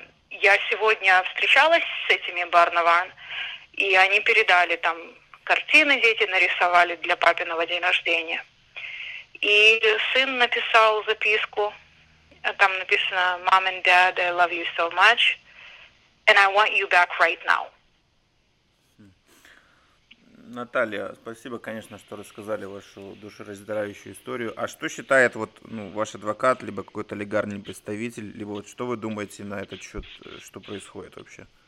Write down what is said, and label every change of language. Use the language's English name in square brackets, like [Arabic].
[Russian] Я сегодня встречалась с этими Барнаван, и они передали там картины, дети нарисовали для папиного день рождения. И сын написал записку. Там написано: [English] «Mom and Dad, I love you so much, and I want you back right now». [Russian] Наталья, спасибо, конечно, что рассказали вашу душераздирающую историю. А что считает вот, ну, ваш адвокат, либо какой-то легальный представитель, либо вот что вы думаете на этот счет, что происходит вообще?